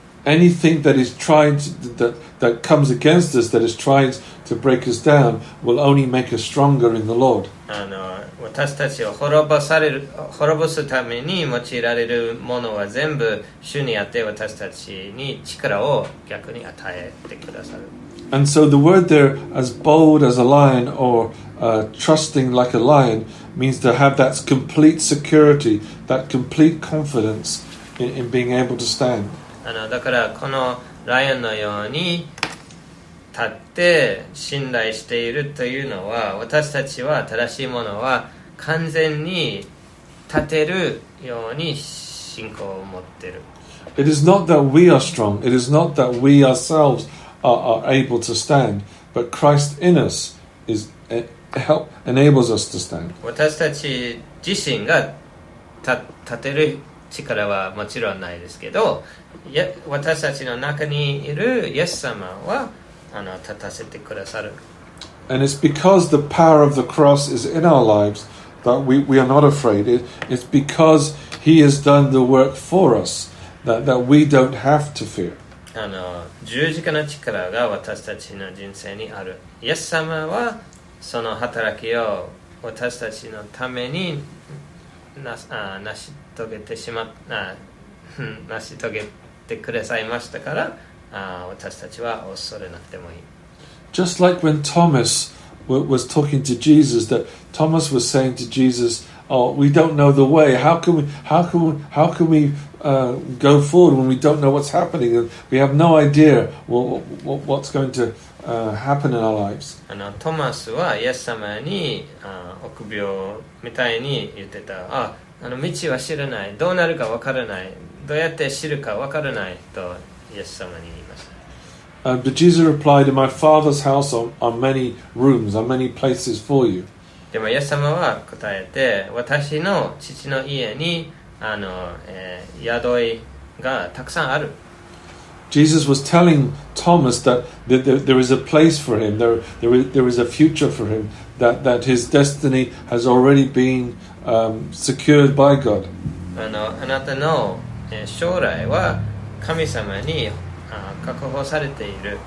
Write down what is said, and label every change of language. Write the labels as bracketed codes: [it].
[en] Anything that is trying to, that comes against us, that is trying to break us down, will only make us stronger in the Lord. [ja] あの、私たちを滅ぼすために用いられるものは全部主にあって私たちに力を逆に与えてくださる。 [en] And so the word there, as bold as a lion or trusting like a lion, means to have that complete security, that complete confidence in being able to stand. [ja] あの、だからこのライオンのように立って信頼しているというのは、私たちは正しいものは完全に立てるように信仰を持ってる。 [en] It is not that we are strong. It is not that we ourselves are able to stand. But Christ in us is enables us to stand. [ja] 私たち自身が立てる力はもちろんないですけど、私たちの中にいるイエス様はあの立たせてくださる。 [en] And it's because the power of the cross is in our lives. That we are not afraid. It's because he has done the work for us that we don't have to fear. [ja] あの、十字架の力が私たちの人生にある。イエス様はその働きを私たちのためにな成し遂げてくださいましたから、私たちは恐れなくてもいい。 [en] Just like when Thomas. Was talking to Jesus that Thomas was saying to Jesus, "Oh, we don't know the way. How can we go forward when we don't know what's happening? We have no idea what's going to happen in our lives." [ja] あの、トマスはイエス様に臆病みたいに言ってた。あ、あの道は知らない。どうなるかわからない。どうやって知るかわからないとイエス様に言いました。 [en] But Jesus replied, "In my Father's house are many rooms, are many places for you." [ja] でもイエス様は答えて、私の父の家にあの、宿がたくさんある。 [en] Jesus was telling Thomas that there is a place for him, there is a future for him, that his destiny has already been secured by God. [ja] あの、あなたの将来は神様に確保されている。